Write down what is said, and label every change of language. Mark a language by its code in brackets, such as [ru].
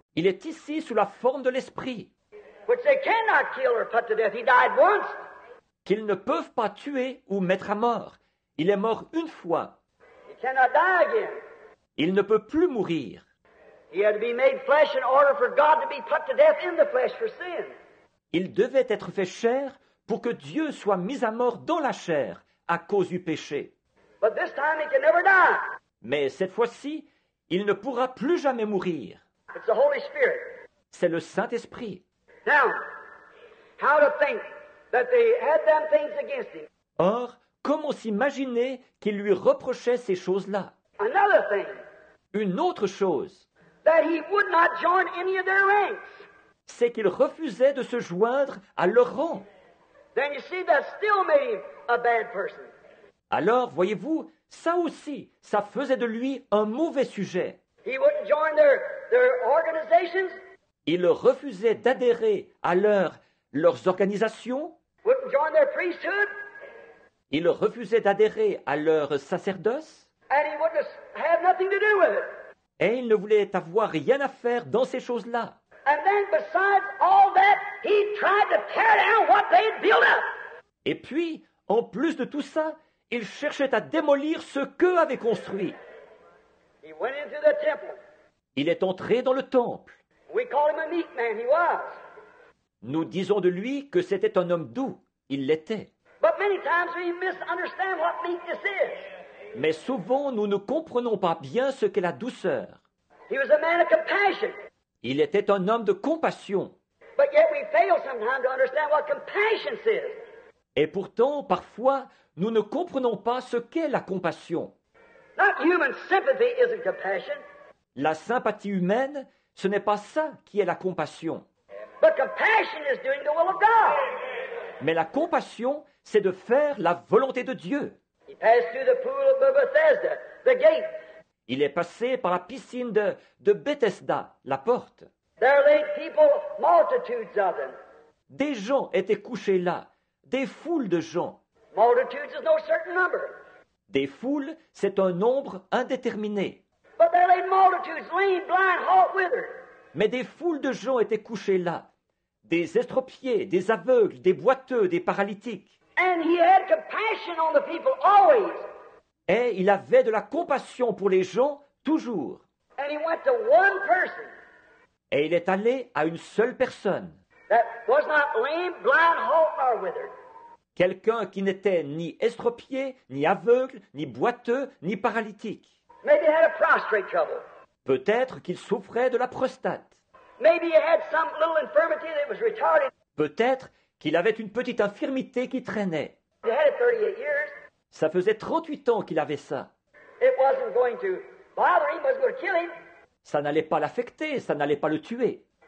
[fr] Il est ici sous la forme de l'esprit. [en] Which they cannot kill or put to death. He died once. [fr] Qu'ils ne peuvent pas tuer ou mettre à mort. Il est mort une fois. [en] He cannot die again. [fr] Il ne peut plus mourir. [en] He had to be made flesh in order for God to be put to death in the flesh for sin. [fr] Il devait être fait chair pour que Dieu soit mis à mort dans la chair à cause du péché. [en] But this time he can never die. [fr] Mais cette fois-ci, il ne pourra plus jamais mourir. [en] It's the Holy Spirit. [fr] C'est le Saint-Esprit. [en] Now, how to think that they had them things against him? [fr] Or, comment s'imaginer qu'ils lui reprochaient ces choses-là? [en] Another thing. [fr] Une autre chose. [en] That he would not join any of their ranks. [fr] C'est qu'il refusait de se joindre à leur rang. [en] Then you see that still made him a bad person. [fr] Alors, voyez-vous, ça aussi, ça faisait de lui un mauvais sujet. [en] He wouldn't join their organizations. [fr] Il refusait d'adhérer à leurs organisations. [en] Wouldn't join their priesthood. [fr] Il refusait d'adhérer à leur sacerdoce. [en] And he wouldn't have nothing to do with it. [fr] Et il ne voulait avoir rien à faire dans ces choses-là. [en] And then, besides all that, he tried to tear down what they'd built up. [fr] Et puis, en plus de tout ça, ils cherchaient à démolir ce qu'eux avaient construit. [en] He went into the temple. [fr] Il est entré dans le temple. [en] We call him a meek man. He was. [fr] Nous disons de lui que c'était un homme doux. Il l'était. [en] But many times we misunderstand what meekness is. [fr] Mais souvent, nous ne comprenons pas bien ce qu'est la douceur. [en] He was a man of compassion. [fr] Il était un homme de compassion. [en] But yet we fail sometimes to understand what compassion is. [fr] Et pourtant, parfois, nous ne comprenons pas ce qu'est la compassion. [en] Not human sympathy isn't compassion. [fr] La sympathie humaine, ce n'est pas ça qui est la compassion. [en] But compassion is doing the will of God. [fr] Mais la compassion, c'est de faire la volonté de Dieu. [en] He passed through the pool of Bethesda, the gate. [fr] Il est passé par la piscine de Bethesda, la porte. [en] There lay people, multitudes of them. [fr] Des gens étaient couchés là, des foules de gens. [en] Multitudes is no certain number. [fr] Des foules, c'est un nombre indéterminé. [en] But there lay multitudes, lame, blind, halt, withered. [fr] Mais des foules de gens étaient couchés là, des estropiés, des aveugles, des boiteux, des paralytiques. [en] And he had compassion on the people always. [fr] Et il avait de la compassion pour les gens, toujours. [en] And he went to one person. [fr] Et il est allé à une seule personne. [en] That was not lame, blind, halt, or withered. [fr] Quelqu'un qui n'était ni estropié, ni aveugle, ni boiteux, ni paralytique. [en] Maybe he had a prostate trouble. [fr] Peut-être qu'il souffrait de la prostate. [en] Maybe he had some little infirmity that was retarded. [fr] Peut-être qu'il avait une petite infirmité qui traînait. [en] He had it 38 years. [fr] Ça faisait 38 ans qu'il avait ça. [en] It wasn't going to bother him, but it would kill him. [fr] Ça n'allait pas l'affecter, ça n'allait pas le tuer.